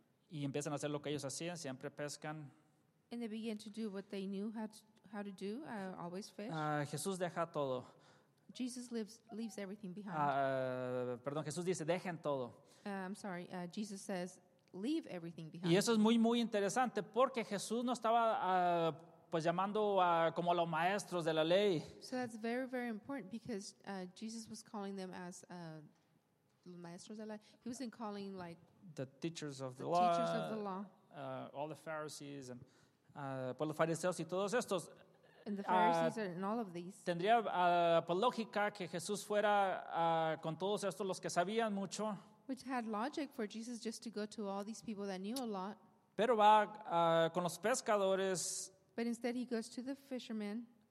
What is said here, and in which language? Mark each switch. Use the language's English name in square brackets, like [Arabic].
[Spanish] Y empiezan a hacer lo que ellos hacían, siempre pescan. [English] And they begin to do what they knew how to do, always fish. [Spanish] Jesús deja todo. [English] Jesus leaves everything behind. [Spanish] Perdón, Jesús dice, dejen todo. [English] I'm sorry, Jesus says, leave everything behind. [Spanish] Y eso es muy, muy interesante, porque Jesús no estaba pues llamando como a los maestros de la ley. [English] So that's very, very important, because Jesus was calling them as [Spanish] maestros de la, [English] he wasn't calling like the teachers of the law, all the Pharisees and [Spanish] pues los fariseos y todos estos, [English] and the Pharisees and all of these, [Spanish] tendría por lógica que Jesús fuera con todos estos los que sabían mucho, [English] which had logic for Jesus just to go to all these people that knew a lot, [Spanish] pero va con los pescadores, [English] but instead he goes to the fishermen.